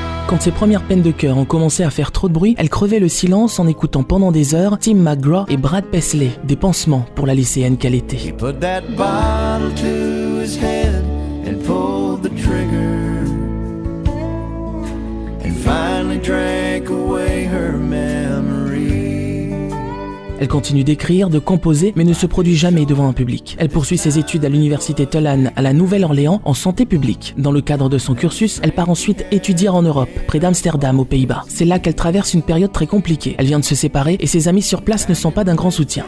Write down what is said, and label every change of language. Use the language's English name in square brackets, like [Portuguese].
[French] Quand ses premières peines de cœur ont commencé à faire trop de bruit, elle crevait le silence en écoutant pendant des heures Tim McGraw et Brad Paisley, des pansements pour la lycéenne qu'elle était. [English] He put that bottle to his head and pulled the trigger and finally drank away her memory. [French] Elle continue d'écrire, de composer, mais ne se produit jamais devant un public. Elle poursuit ses études à l'université Tulane à la Nouvelle-Orléans en santé publique. Dans le cadre de son cursus, elle part ensuite étudier en Europe, près d'Amsterdam, aux Pays-Bas. C'est là qu'elle traverse une période très compliquée. Elle vient de se séparer et ses amis sur place ne sont pas d'un grand soutien.